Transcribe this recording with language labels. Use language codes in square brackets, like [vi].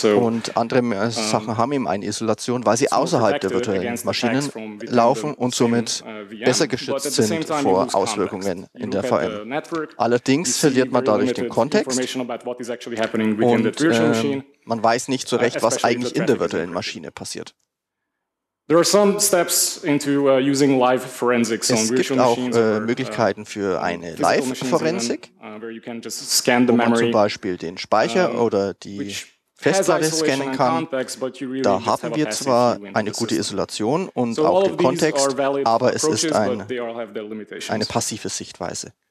[de] Und andere Sachen haben eben eine Isolation, weil sie außerhalb der virtuellen Maschinen laufen und somit besser geschützt sind vor Auswirkungen in der VM. Allerdings verliert man dadurch den Kontext und man weiß nicht so recht, was eigentlich in der virtuellen Maschine passiert. [en] There are some steps into using live forensics on [de] es gibt auch Möglichkeiten für eine Live-Forensik, wo man zum Beispiel den Speicher oder die Festplatte scannen kann. Da haben wir zwar eine gute Isolation und auch den Kontext, aber es ist eine passive Sichtweise.